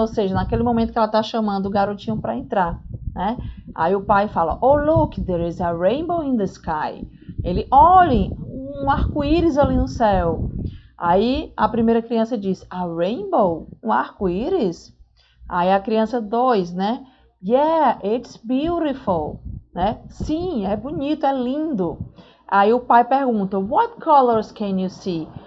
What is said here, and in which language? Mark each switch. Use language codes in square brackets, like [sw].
[pt] Ou seja, naquele momento que ela está chamando o garotinho para entrar, né? Aí o pai fala, [en] oh look, there is a rainbow in the sky. [pt] Ele olha um arco-íris ali no céu. Aí a primeira criança diz, a rainbow, um arco-íris? Aí a criança 2, né? [en] Yeah, it's beautiful, [pt] né? Sim, é bonito, é lindo. Aí o pai pergunta, [en] what colors can you see?